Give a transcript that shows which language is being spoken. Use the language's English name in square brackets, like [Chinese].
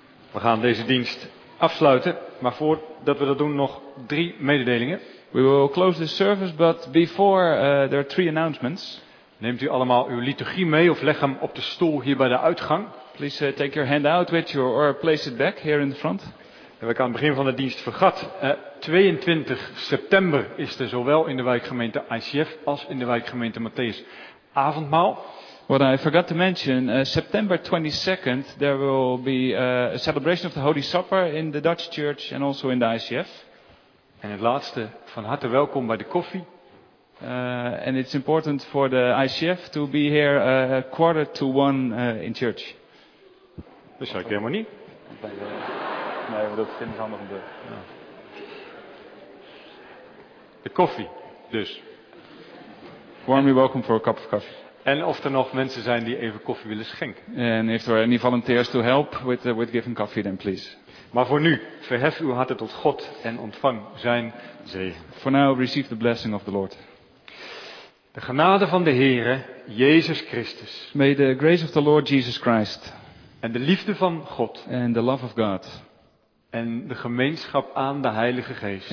[Dutch] We gaan deze dienst afsluiten, maar voordat we dat doen nog drie mededelingen. [English] We will close this service, but before there are three announcements. [Dutch] Neemt u allemaal uw liturgie mee of leg hem op de stoel hier bij de uitgang. [English] Please take your hand out with you or place it back here in the front. [Dutch] Heb ik aan het begin van de dienst vergat. 22 september is er zowel in de wijkgemeente ICF als in de wijkgemeente Matthäus avondmaal. [English] What I forgot to mention, September 22nd there will be a celebration of the Holy Supper in the Dutch Church and also in the ICF. [Dutch] En het laatste, van harte welkom bij de koffie. [English] And it's important for the ICF to be here a quarter to one in church. [Dutch] Dat zou ik helemaal niet. Nee, dat vind ik handig om te doen. De koffie, dus. [English] Warmly welcome for a cup of coffee. [Dutch] En of er nog mensen zijn die even koffie willen schenken. [English] And if there are any volunteers to help with giving coffee, then please. [Dutch] Maar voor nu, verhef uw harten tot God en ontvang zijn zegen. [English] For now, receive the blessing of the Lord. [Dutch] De genade van de Heere, Jezus Christus. [English] May the grace of the Lord Jesus Christ. [Dutch] En de liefde van God. [English] And the love of God. [Dutch] En de gemeenschap aan de Heilige Geest.